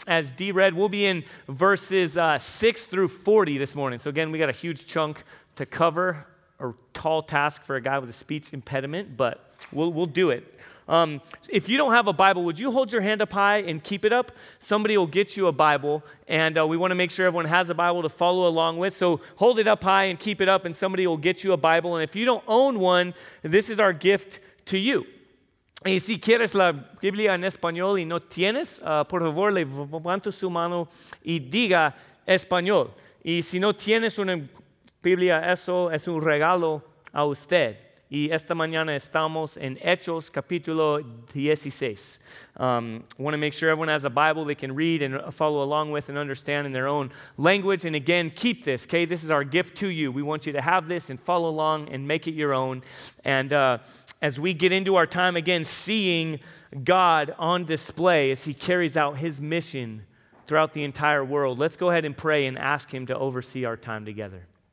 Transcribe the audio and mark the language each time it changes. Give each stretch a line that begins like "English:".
English: As Dee read, we'll be in verses 6 through 40 this morning. So again, we got a huge chunk to cover, or tall task for a guy with a speech impediment, but we'll do it. If you don't have a Bible, would you hold your hand up high and keep it up? Somebody will get you a Bible, and we want to make sure everyone has a Bible to follow along with. So hold it up high and keep it up, and somebody will get you a Bible. And if you don't own one, this is our gift to you.
Spanish: Y si quieres la Biblia en español y no tienes, por favor, levanta su mano y diga español. Y si no tienes una Biblia, eso es un regalo a usted. Y esta mañana estamos en Hechos, capítulo 16.
English: Want to make sure everyone has a Bible they can read and follow along with and understand in their own language. And again, keep this, okay? This is our gift to you. We want you to have this and follow along and make it your own. And as we get into our time again, seeing God on display as he carries out his mission throughout the entire world, let's go ahead and pray and ask him to oversee our time together.